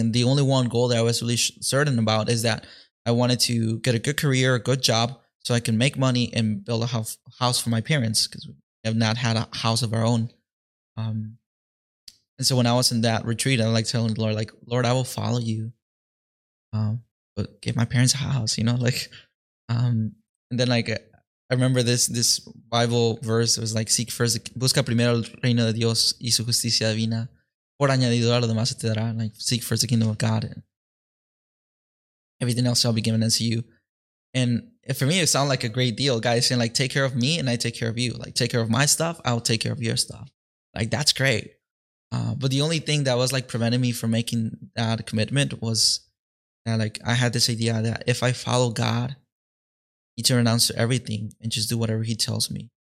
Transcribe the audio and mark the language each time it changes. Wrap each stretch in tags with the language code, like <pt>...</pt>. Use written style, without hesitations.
<en>And the only one goal that I was really certain about is that I wanted to get a good career, a good job, so I can make money and build a house for my parents, because we have not had a house of our own. And so when I was in that retreat, I'm like telling the Lord, like, Lord, I will follow you, but give my parents a house, you know, like, and then like, I remember this Bible verse. It was like, seek first,</en> <es>busca primero el reino de Dios y su justicia divina, por añadidura lo demás te dará.</es> <en>Like, seek first the kingdom of God, and everything else shall be given unto you. And for me, it sounded like a great deal. Guys saying like, take care of me and I take care of you. Like, take care of my stuff, I'll take care of your stuff. Like, that's great. But the only thing that was like preventing me from making that commitment was that like, I had this idea that if I follow God, he to renounce everything and just do whatever he tells me.</en>